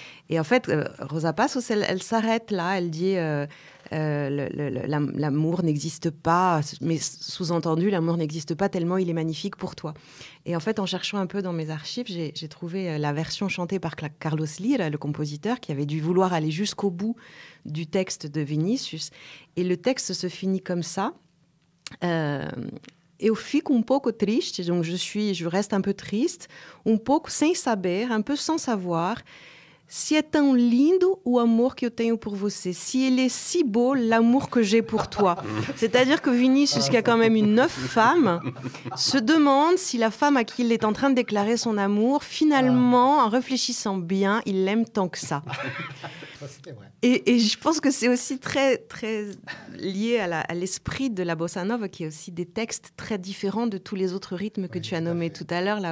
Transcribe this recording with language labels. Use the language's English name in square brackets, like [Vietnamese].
[French] Et en fait, Rosa Passos, elle s'arrête là. Elle dit l'amour n'existe pas, mais sous-entendu, l'amour n'existe pas tellement il est magnifique pour toi. Et en fait, en cherchant un peu dans mes archives, j'ai trouvé la version chantée par Carlos Lyra, le compositeur, qui avait dû vouloir aller jusqu'au bout du texte de Vinicius. Et le texte se finit comme ça. [Portuguese] Eu fico um pouco triste, [French] donc je reste un peu triste, [Portuguese] um pouco sem saber, [French] un peu sans savoir, [Portuguese] si é tão lindo o amor que eu tenho por você, si ele é [French] si beau l'amour que j'ai pour toi. C'est-à-dire que Vinicius, qui a quand même une 9 femmes, se demande si la femme à qui il est en train de déclarer son amour, finalement, en réfléchissant bien, il l'aime tant que ça. Et je pense que c'est aussi très, très lié à l'esprit de la bossa nova, qui est aussi des textes très différents de tous les autres rythmes que, oui, tu as nommés tout à l'heure.